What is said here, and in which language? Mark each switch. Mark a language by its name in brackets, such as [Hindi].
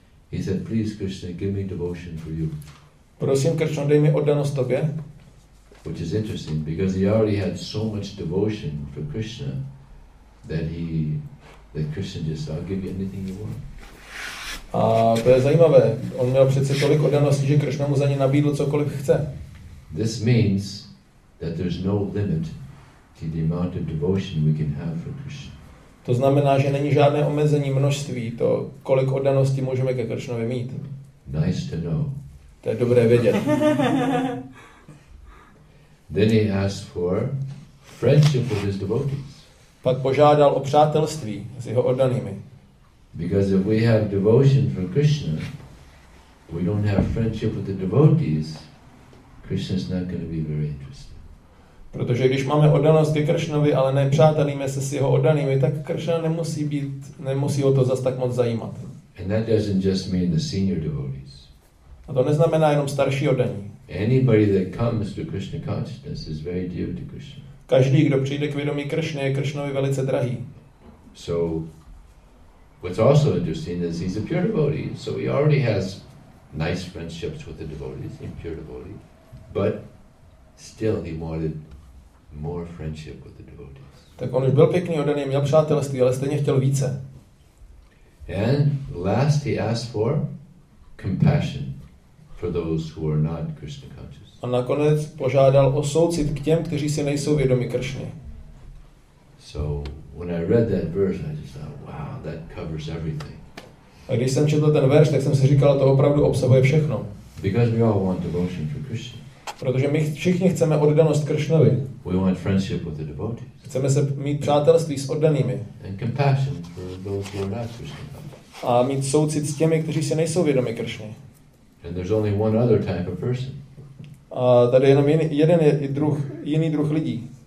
[English] He said, please Krishna, give me devotion for you. [Czech] Prosím Krishna, dej mi oddanost tobě. [English] Which is interesting because he already had so much devotion for Krishna that Krishna just said, I'll give you anything you want. [Czech] A to je zajímavé. On měl přece tolik oddanosti, že Krishna mu za ně nabídl cokoliv chce. [English] This means that there's no limit to the amount of devotion we can have for Krishna. [Czech] To znamená, že není žádné omezení množství to, kolik oddaností můžeme ke Krishnovi mít. [English] Nice to know. [Czech] To je dobré vědět. [English] Then he asked for friendship with his devotees. [Czech] Pak požádal o přátelství s jeho oddanými. [English] Because if we have devotion for Krishna, we don't have friendship with the devotees, Krishna is not going to be very interested. [Czech] Protože když máme oddanost ke Kršnovi, ale nepřátelíme se s jeho oddanými, tak Kršna nemusí ho to zas tak moc zajímat. [English] And that doesn't just mean the senior devotees. [Czech] A to neznamená jenom starší oddaní. [English] Anybody that comes to Krishna consciousness is very dear to Krishna. [Czech] Každý, kdo přijde k vědomí Kršny, je Kršnovi velice drahý. [English] So what's also interesting is he's a pure devotee, so he already has nice friendships with the devotees, a pure devotee, but still he wanted more friendship with the devotees. [Czech] Tak on už byl pěkný oddaný, měl přátelství, ale stejně chtěl více. [English] And last he asked for compassion for those who are not Krishna conscious. [Czech] A nakonec požádal o soucit k těm, kteří si nejsou vědomi Kršny. [English] So when I read that verse, I just thought, wow, that covers everything. [Czech] A když jsem četl ten verš, tak jsem si říkal, to opravdu obsahuje všechno. [English] Because we all want devotion for Krishna. [Czech] Protože my všichni chceme oddanost Kršnovi. [English] We want friendship with the devotees. [Czech] Chceme se mít přátelství s oddanými. [English] And compassion for those who are not Krishna. [Czech] A mít soucit s těmi, kteří si nejsou vědomi Kršny. [English] And there's only one other type of person. [Czech] A tady je jenom jiný druh lidí.